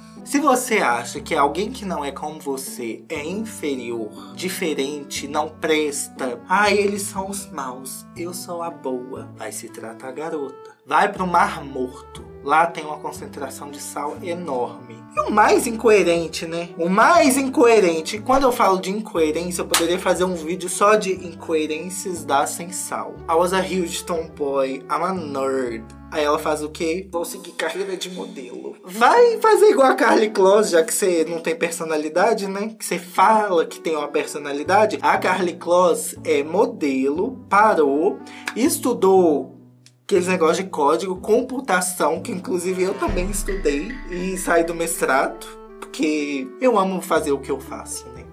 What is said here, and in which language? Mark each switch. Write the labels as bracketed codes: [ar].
[pt] Se você acha que alguém que não é como você é inferior, diferente, não presta, ah, eles são os maus, eu sou a boa, vai se tratar a garota. Vai pro Mar Morto, lá tem uma concentração de sal enorme. E o mais incoerente, né? O mais incoerente, quando eu falo de incoerência, eu poderia fazer um vídeo só de incoerências da sem sal. [en] I was a huge tomboy, I'm a nerd. [pt] Aí ela faz o quê? Vou seguir carreira de modelo. Vai fazer igual a Karlie Kloss, já que você não tem personalidade, né? Que você fala que tem uma personalidade. A Karlie Kloss é modelo, parou, estudou aqueles negócios de código, computação, que inclusive eu também estudei e saí do mestrado, porque eu amo fazer o que eu faço, né?